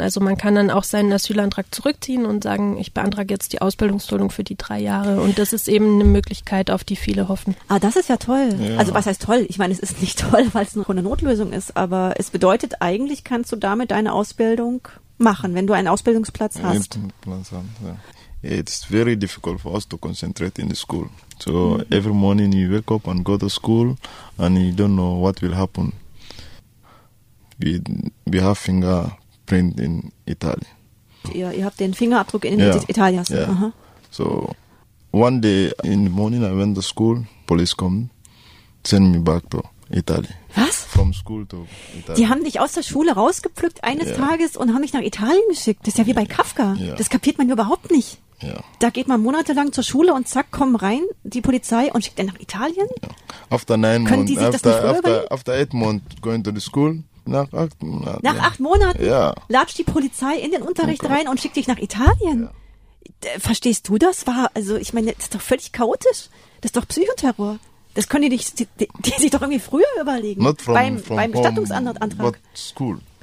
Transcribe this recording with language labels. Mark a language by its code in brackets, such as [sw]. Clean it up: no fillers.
[de] Also man kann dann auch seinen Asylantrag zurückziehen und sagen, ich beantrage jetzt die Ausbildungsduldung für die 3 Jahre. Und das ist eben eine Möglichkeit, auf die viele hoffen. Ah, das ist ja toll. Ja. Also was heißt toll? Ich meine, es ist nicht toll, weil es nur eine Notlösung ist. Aber es bedeutet, eigentlich kannst du damit deine Ausbildung machen, wenn du einen Ausbildungsplatz hast. [en] It's very difficult for us to concentrate in the school. So every morning you wake up and go to school and you don't know what will happen. We have fingerprint in Italy. [de] Ihr habt den Fingerabdruck in Italien. [en] Yeah. So one day in the morning I went to school, police come, send me back to Italy. [de] Was? [en] From school to Italy. [de] Die haben dich aus der Schule rausgepflückt eines Tages und haben mich nach Italien geschickt. Das ist ja wie bei Kafka. [en] Yeah. [de] Das kapiert man überhaupt nicht. [en] Yeah. [de] Da geht man monatelang zur Schule und zack, kommen rein die Polizei und schickt einen nach Italien? [en] Yeah. After 9 months, after 8 months going to the school. [de] Nach acht Monaten latscht die Polizei in den Unterricht rein und schickt dich nach Italien. Ja. Verstehst du das? Das ist doch völlig chaotisch. Das ist doch Psychoterror. Das können die sich doch irgendwie früher überlegen. Beim Bestattungsantrag. [en] School.